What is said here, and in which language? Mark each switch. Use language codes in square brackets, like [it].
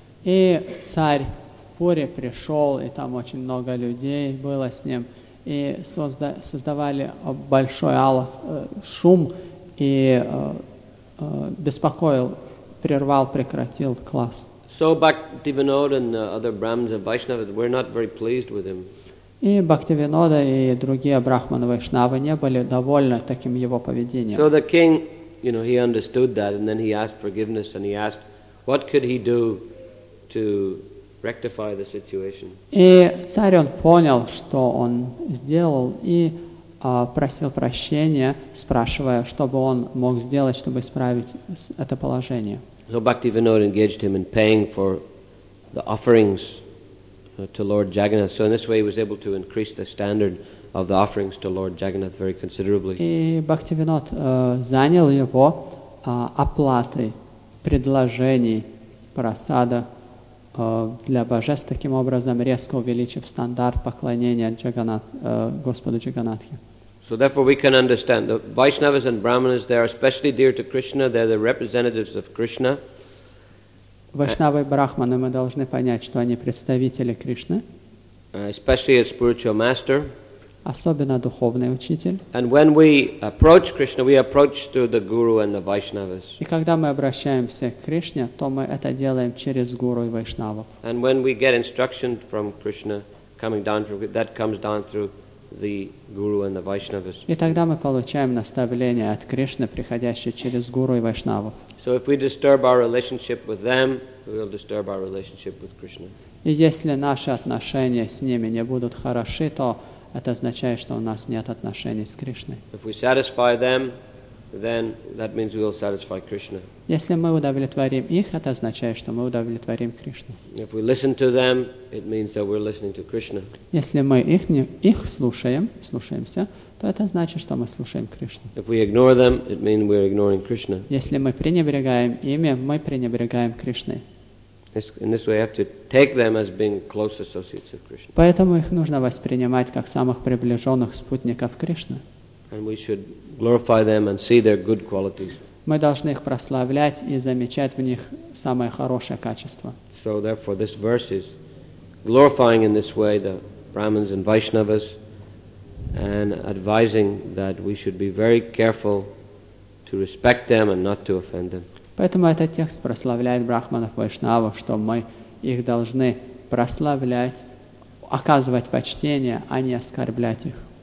[ru] И царь Пури пришел, и там очень много людей было с ним, и создавали большой шум и беспокоил, прервал, прекратил класс. [en] So Bhaktivinod and the other Brahmins of Vaishnava were not very pleased with him. [ru] И Бхактивинода и другие брахманы вайшнавы не были довольны таким его поведением. [en] So the king, you know, he understood that, and then he asked forgiveness, and he asked, what could he do to rectify the situation? [ru] И царь он понял, что он сделал, и просил прощения, спрашивая, что бы он мог сделать, чтобы исправить это положение. [en] So Bhaktivinoda engaged him in paying for the offerings to Lord Jagannath. So in this way he was able to increase the standard of the offerings to Lord Jagannath very considerably. [ru] И Бхактивинод занял его оплатой предложений просада для божеств, таким образом резко увеличив стандарт поклонения Господу Джаганатхе. [en] So therefore we can understand the Vaishnavas and Brahmanas, they are especially dear to Krishna, they are the representatives of Krishna. [ru] Вайшнавы и брахманы, мы должны понять, что они представители Кришны. [en] Especially a spiritual master. [ru] особенно духовный учитель. [en] And when we approach Krishna, we approach through the guru and the Vaishnavas. [ru] И когда мы обращаемся к Кришне, то мы это делаем через гуру и вайшнавов. [en] And when we get instruction from Krishna, coming down through, that comes down through the guru and the Vaishnavas. [ru] И тогда мы получаем наставление от Кришны, приходящее через гуру и вайшнавов. [en] So if we disturb our relationship with them, we will disturb our relationship with Krishna. [ru] И если наши отношения с ними не будут хороши, то это означает, что у нас нет отношений с Кришной. [en] If we satisfy them, then that means we will satisfy Krishna. [ru] Если мы удовлетворим их, это означает, что мы удовлетворим Кришну. [en] If we listen to them, it means that we're listening to Krishna. [ru] Если мы их слушаемся, то это значит, что мы слушаем Кришну. [en] If we ignore them, it means we're ignoring Krishna. [ru] Если мы пренебрегаем ими, мы пренебрегаем Кришной. [en] In this way, we have to take them as being close associates of Krishna. [ru] Поэтому их нужно воспринимать как самых приближенных спутников Кришны. [en] And we should glorify them and see their good qualities. [ru] Мы должны их прославлять и замечать в них самое хорошее качество. [en] So therefore, this verse is glorifying in this way the Brahmins and Vaishnavas, and advising that we should be very careful to respect them and not to offend them. [ru] Поэтому этот текст прославляет брахманов, вайшнавов, что мы их должны прославлять, оказывать почтение, а не оскорблять их.